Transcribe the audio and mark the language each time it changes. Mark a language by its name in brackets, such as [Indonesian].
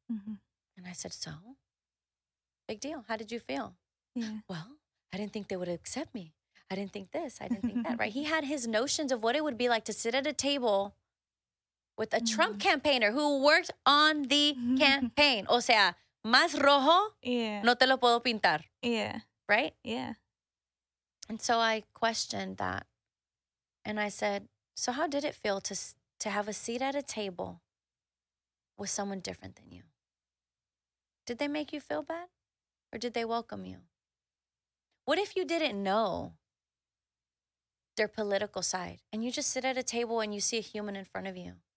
[English] Mm-hmm. And I said, so? Big deal. How did you feel? Yeah. Well, I didn't think they would accept me. I didn't think this. I didn't think that, right? He had his notions of what it would be like to sit at a table with a Trump campaigner who worked on the campaign. [Spanish] O sea, más rojo, no te lo puedo pintar. [English] Yeah. Right? Yeah. And so I questioned that. And I said, so how did it feel to have a seat at a table with someone different than you? Did they make you feel bad? Or did they welcome you? What if you didn't know their political side and you just sit at a table and you see a human in front of you?